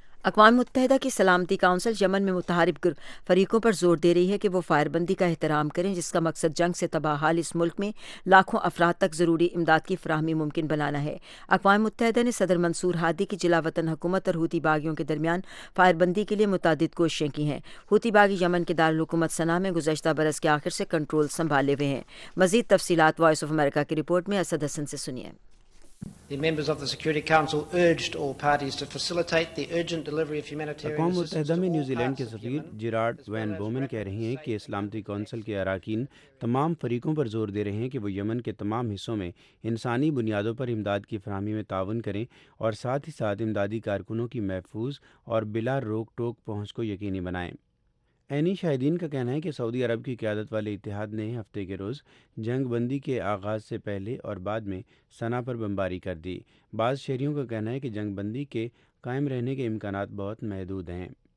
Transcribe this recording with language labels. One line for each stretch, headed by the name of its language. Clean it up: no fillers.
Urdu: اقوام متحدہ کی سلامتی کونسل یمن میں متحارب فریقوں پر زور دے رہی ہے کہ وہ فائر بندی کا احترام کریں، جس کا مقصد جنگ سے تباہ حال اس ملک میں لاکھوں افراد تک ضروری امداد کی فراہمی ممکن بنانا ہے۔ اقوام متحدہ نے صدر منصور ہادی کی جلا وطن حکومت اور ہوتی باغیوں کے درمیان فائر بندی کے لیے متعدد کوششیں کی ہیں۔ ہوتی باغی یمن کے دارالحکومت صنعاء میں گزشتہ برس کے آخر سے کنٹرول سنبھالے ہوئے ہیں۔ مزید تفصیلات وائس آف امریکہ کی رپورٹ میں اسد حسن سے سنیے۔
English: The members of the Security Council urged all parties to facilitate the urgent delivery of humanitarian assistance to all parts of Yemen.
Urdu: New Zealand کے سفیر جیرارڈ وین بومن کہہ رہے ہیں کہ سلامتی کونسل کے اراکین تمام فریقوں پر زور دے رہے ہیں کہ وہ یمن کے تمام حصوں میں انسانی بنیادوں پر امداد کی فراہمی میں تعاون کریں اور ساتھ ہی ساتھ امدادی کارکنوں کی محفوظ اور بلا روک ٹوک پہنچ کو یقینی بنائیں۔ عینی شاہدین کا کہنا ہے کہ سعودی عرب کی قیادت والے اتحاد نے ہفتے کے روز جنگ بندی کے آغاز سے پہلے اور بعد میں صنعاء پر بمباری کر دی۔ بعض شہریوں کا کہنا ہے کہ جنگ بندی کے قائم رہنے کے امکانات بہت محدود ہیں۔